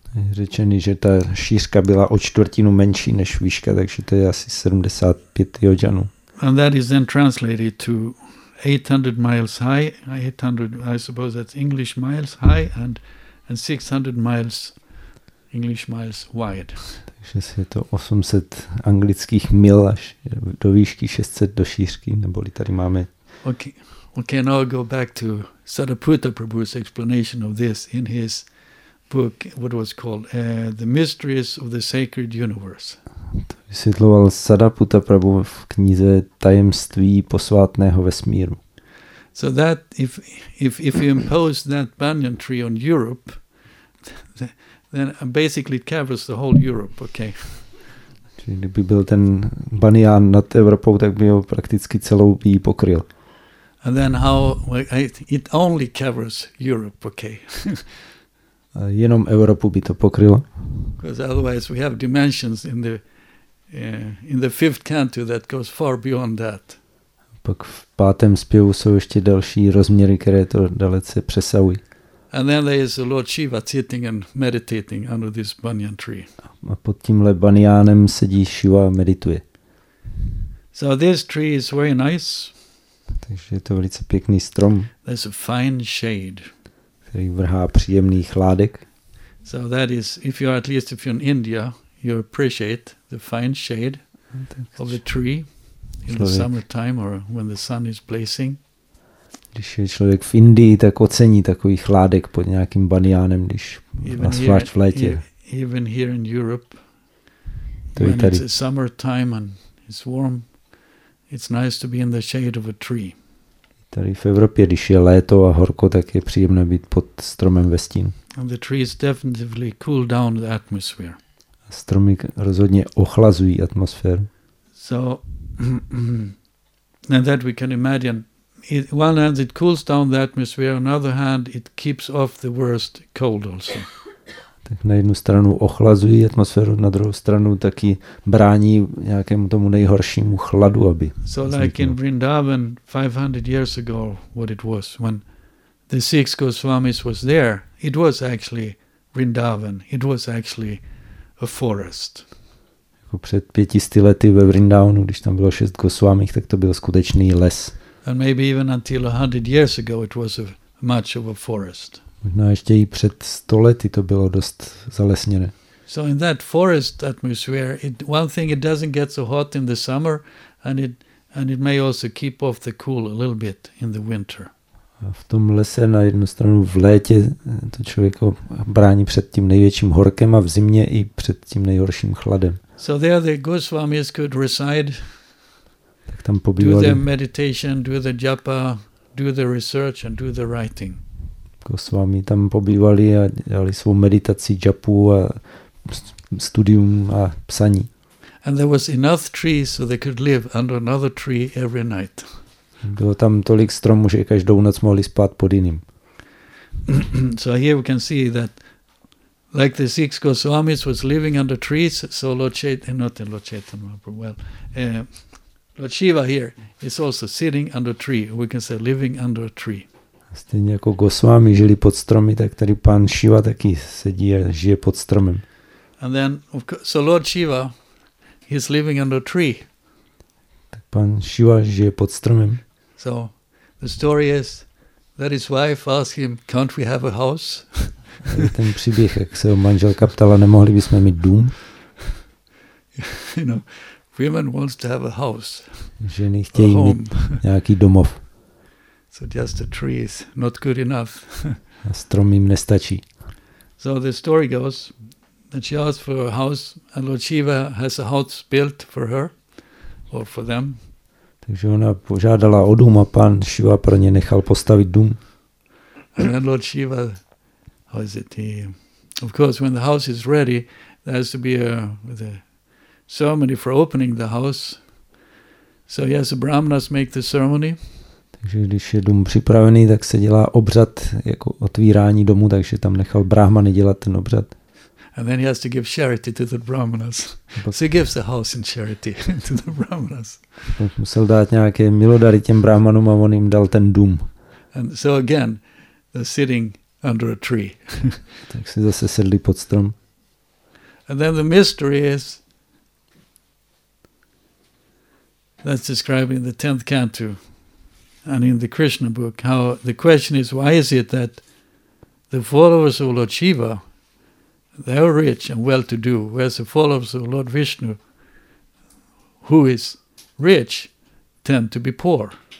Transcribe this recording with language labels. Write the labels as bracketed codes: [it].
[cs] Řečeno, že ta šířka byla o čtvrtinu menší než výška, takže to je asi 75 yojanů. [en] And that is then translated to 800 miles high. 800, I suppose that's English miles high and 600 miles English miles wide. [cs] Takže je to 800 anglických mil až do výšky 600 do šířky, neboli tady máme. [en] Okay, now I'll go back to Sariputta Prabhu's explanation of this in his book, what was called The Mysteries of the Sacred Universe. [cs] To vysvětloval Sariputta Prabhu v knize Tajemství posvátného vesmíru. [en] So that if you impose that banyan tree on Europe, then basically it covers the whole Europe, okay? [cs] Kdyby byl ten banián nad Evropou, tak by ho prakticky celou by pokryl. [en] And then how it only covers Europe, okay? [cs] Jenom Evropu by to pokrylo. [en] Because otherwise we have dimensions in the fifth canto that goes far beyond that. [cs] Pak v pátém zpěvu jsou ještě další rozměry, které to dalece přesahují. [en] And then there is Lord Shiva sitting and meditating under this banyan tree. [cs] A pod tímhle baniánem sedí Shiva a medituje. [en] So this tree is very nice. [cs] Takže je to velice pěkný strom. [en] There's a fine shade. [cs] Který vrhá příjemný chládek. [en] So that is, if you are at least if you're in India, you appreciate the fine shade of the tree. In the summertime or when the sun is blazing. [cs] Když je člověk v Indii, tak ocení takový chládek pod nějakým baniánem, když zvlášť v létě. [en] Even here in Europe, when it's a summertime and it's warm, it's nice to be in the shade of a tree. [cs] Tady v Evropě, když je léto a horko, tak je příjemné být pod stromem ve stínu. [en] And the trees definitely cool down the atmosphere. [cs] A stromy rozhodně ochlazují atmosféru. [en] So and that we can imagine. One hand it cools down the atmosphere, on the other hand it keeps off the worst cold also. [cs] Tak na jednu stranu ochlazují atmosféru, na druhou stranu taky brání nějakému tomu nejhoršímu chladu, aby. [en] So like in Vrindavan 500 years ago, what it was when the six Goswamis was there, it was actually Vrindavan. It was actually a forest. [cs] Před 500 lety ve Vrindavanu, když tam bylo 6 Gosvámích, tak to byl skutečný les. [en] And maybe even until 100 years ago it was much of a forest. [cs] Možná ještě i před 100 lety to bylo dost zalesněné. [en] So in that forest atmosphere, one thing it doesn't get so hot in the summer and it may also keep off the cool a little bit in the winter. [cs] V tom lese na jednu stranu v létě to člověko brání před tím největším horkem a v zimě i před tím nejhorším chladem. [en] So there the Goswamis could reside. [cs] Tak tam pobývali. [en] Do the meditation, do the japa, do the research and do the writing. [cs] Goswami tam pobývali a dělali svou meditaci, japu a studium a psaní. [en] And there was enough tree so they could live under another tree every night. [cs] Bylo tam tolik stromů, že každou noc mohli spát pod jiným. [en] So here we can see that like the six Goswamis was living under trees, so Lord Chaitanya, not Lord Chaitanya, well, Lord Shiva here is also sitting under a tree. We can say living under a tree. [cs] Stejně jako Goswami žili pod stromy, tak tady pán Shiva taky sedí a žije pod stromem. [en] And then, so Lord Shiva, he's living under a tree. [cs] Tak pán Shiva žije pod stromem. [en] So the story is that his wife asked him, "Can't we have a house?" [cs] Ten příběh, jak se ho manželka ptala, nemohli bychom mít dům? [en] You know, women wants to have a house. [cs] Ženy chtějí a mít nějaký domov. [en] So just the tree is not good enough. [cs] A strom jim nestačí. [en] So the story goes that she asked for a house, and Lord Shiva has a house built for her, or for them. [cs] Takže ona požádala o dům a pán Shiva pro ně nechal postavit dům. [en] And then Lord Shiva, how is it? Of course, when the house is ready, there has to be a ceremony for opening the house. So yes, the brahmanas make the ceremony. [cs] Takže když je dům připravený, tak se dělá obřad jako otvírání domu, takže tam nechal brahmany dělat ten obřad. [en] And then he has to give charity to the brahmanas. So he gives the house in charity to the brahmanas. [cs] Musel dát nějaké milodary těm brahmanům a on jim dal ten dům. [en] And so again, they're sitting under a tree. [cs] Tak si zase sedli pod strom. [en] And then the mystery is that's described in the 10th canto and in the Krishna book. How the question is, why is it that the followers of Lord Shiva, they are rich and well-to-do, whereas the followers of Lord Vishnu, who is rich, tend to be poor.